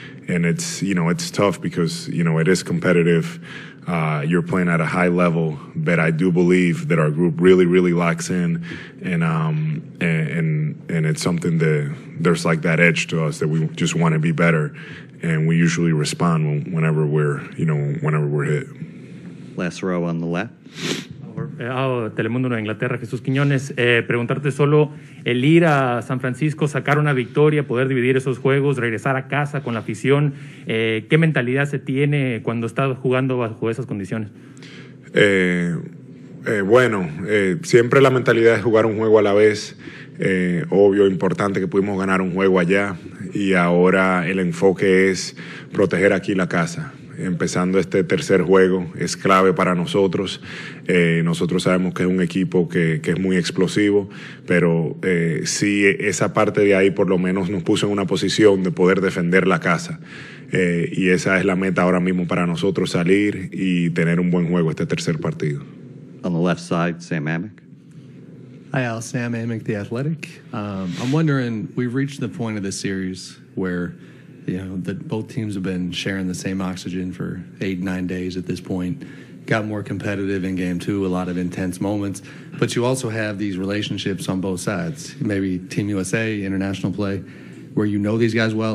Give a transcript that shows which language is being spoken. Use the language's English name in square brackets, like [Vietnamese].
[English] And it's, you know, it's tough because, you know, it is competitive. You're playing at a high level, but I do believe that our group really, really locks in. And it's something that there's like that edge to us that we just want to be better. And we usually respond whenever we're, you know, whenever we're hit. Last row on the left. [Spanish] Telemundo de Inglaterra, Jesús Quiñones. Preguntarte solo, el ir a San Francisco, sacar una victoria, poder dividir esos juegos, regresar a casa con la afición, ¿qué mentalidad se tiene cuando estás jugando bajo esas condiciones? Siempre la mentalidad es jugar un juego a la vez. Obvio, importante que pudimos ganar un juego allá. Y ahora el enfoque es proteger aquí la casa. Empezando este tercer juego, es clave para nosotros. Nosotros sabemos que es un equipo que es muy explosivo, pero sí, esa parte de ahí por lo menos nos puso en una posición de poder defender la casa. Y esa es la meta ahora mismo para nosotros, salir y tener un buen juego este tercer partido. [English] On the left side, Sam Amick. Hi, Al. Sam Amick, The Athletic. I'm wondering, we've reached the point of this series where, you know, that both teams have been sharing the same oxygen for 8-9 days at this point. Got more competitive in game two, a lot of intense moments. But you also have these relationships on both sides, maybe Team USA, international play, where you know these guys well.